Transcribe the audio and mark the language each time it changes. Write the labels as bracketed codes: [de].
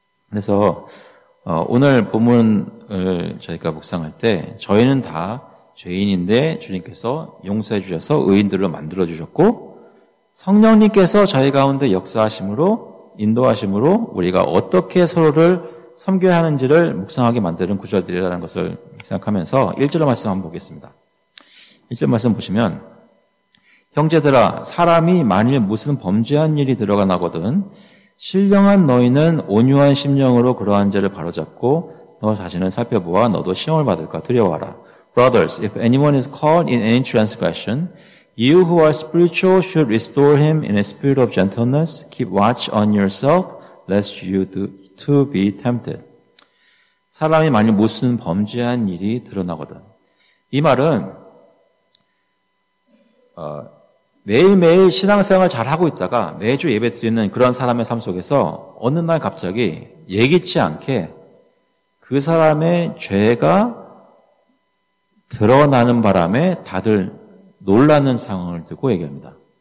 [ko] 그래서 오늘 본문을 저희가 묵상할 때 저희는 다 죄인인데 주님께서 용서해 주셔서 의인들로 만들어 주셨고 성령님께서 저희 가운데 역사하심으로 인도하심으로 우리가 어떻게 서로를 섬겨야 하는지를 묵상하게 만드는 구절들이라는 것을 생각하면서 1절의 말씀 한번 보겠습니다. 1절 말씀 보시면 형제들아 사람이 만일 무슨 범죄한 일이 들어가 나거든 신령한 너희는 온유한 심령으로 그러한 죄를 바로잡고 너 자신을 살펴보아 너도 시험을 받을까 두려워하라. [en] Brothers, if anyone is caught in any transgression, you who are spiritual should restore him in a spirit of gentleness. Keep watch on yourself, lest you do to be tempted. [ko] 사람이 만일 무슨 범죄한 일이 드러나거든. 이 말은 매일매일 신앙생활 잘하고 있다가 매주 예배드리는 그런 사람의 삶 속에서 어느 날 갑자기 예기치 않게 그 사람의 죄가 드러나는 바람에 다들 놀라는 상황을 듣고 얘기합니다.